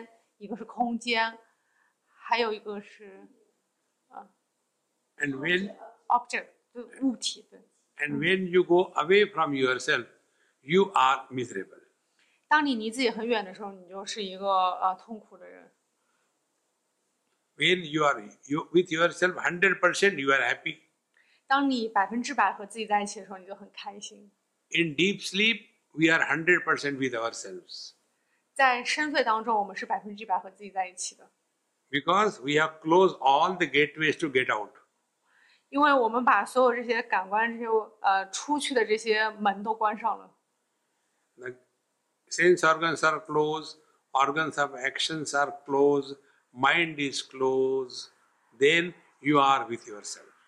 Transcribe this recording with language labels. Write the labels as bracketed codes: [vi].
[zh] 我们离自己远有三种，一个是时间，一个是空间，还有一个是 [en] And when [zh] object 物体对。 [en] And when you go away from yourself, you are miserable. [zh] 当你离自己很远的时候，你就是一个痛苦的人。 [en] When you are with yourself 100%, you are happy. [zh] 当你100%和自己在一起的时候，你就很开心。 [en] In deep sleep, we are 100% with ourselves. [zh] 在深睡当中，我们是100%和自己在一起的。 [en] Because we have closed all the gateways to get out. [zh] 因为我们把所有这些感官、这些出去的这些门都关上了。 [en] Sense organs are closed, organs of actions are closed, mind is closed, then you are with yourself.